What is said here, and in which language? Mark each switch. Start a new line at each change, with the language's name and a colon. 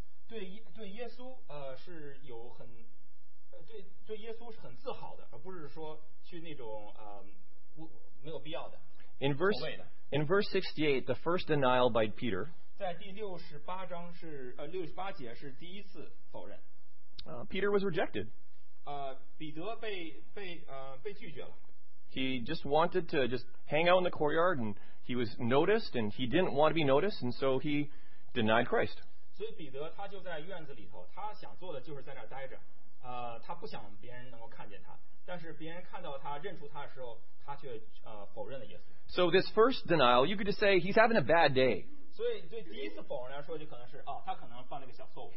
Chinese: 对耶稣是有很对耶稣是很自豪的，而不是说去那种没有必要的。
English: In verse 68, the first denial by Peter.
Chinese: 在第六十八章是六十八节是第一次否认。
English: Peter was rejected.
Chinese: 彼得被拒绝了。
English: He just wanted to just hang out in the courtyard, and he was noticed, and he didn't want to be noticed, and so he denied Christ.
Chinese: 所以彼得他就在院子里头，他想做的就是在那儿待着，他不想别人能够看见他。但是别人看到他认出他的时候，他却否认了耶稣。
English: So this first denial, you could just say he's having a bad day.
Chinese: 所以对第一次否认来说，就可能是他可能犯了一个小错误。